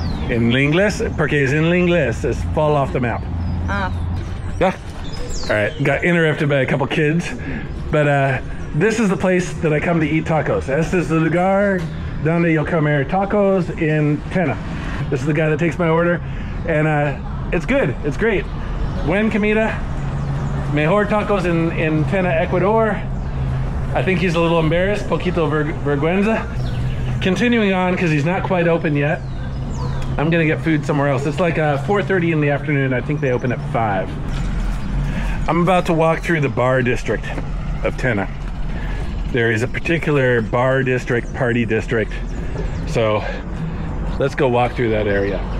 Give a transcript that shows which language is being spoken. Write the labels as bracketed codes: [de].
[es] En inglés, porque es en inglés, es [en] fall off the map. Ah. Yeah. All right, got interrupted by a couple kids, but this is the place that I come to eat tacos. [es] Este es el lugar donde yo comer tacos en Tena. [en] This is the guy that takes my order, and it's good, it's great. [es] Buen comida, mejor tacos in Tena, Ecuador. [en] I think he's a little embarrassed, [es] poquito vergüenza. [en] Continuing on, because he's not quite open yet, I'm gonna get food somewhere else. It's like 4:30 in the afternoon. I think they open at 5. I'm about to walk through the bar district of Tena. There is a particular bar district, party district. So let's go walk through that area.